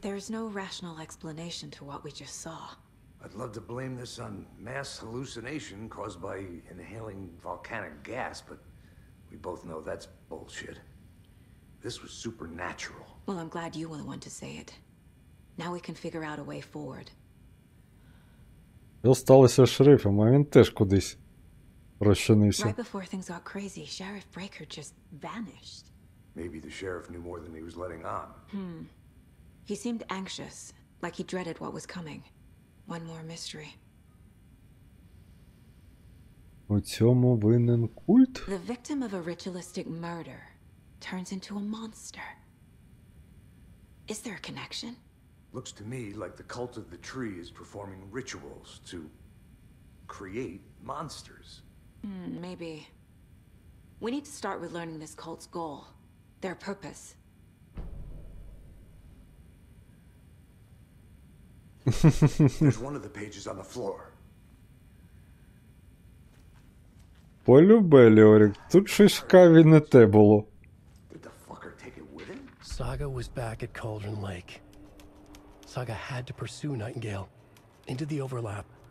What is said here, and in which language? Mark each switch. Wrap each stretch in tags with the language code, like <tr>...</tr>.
<en>There's no rational explanation to what we just saw. I'd love to blame this on mass hallucination caused by inhaling volcanic gas, but we both know that's bullshit. This was supernatural. Well, I'm glad you were the one to say it. Now we can figure out a way forward.</en> <uk>І сталося з шерифом, а він теж кудись розчинився.</uk> <en>Right before things got crazy, Sheriff Breaker just vanished. Maybe the sheriff knew more than he was letting on. Hmm. He seemed anxious, like he dreaded what was coming. One more mystery.</en> <uk>У цьому винен культ?</uk> <en>The victim of a ritualistic murder turns into a monster. Is there a connection? Looks to me like the cult of the tree is performing rituals to create monsters. Maybe. We need to start with learning this cult's goal, their purpose. There's one of the pages on the floor.</en> <uk>Полюбе, Леорик, тут щось каві не те було.</uk> <en>Did the fucker take it with him? Saga was back at Cauldron Lake. Saga had to pursue Nightingale into the overlap.</en>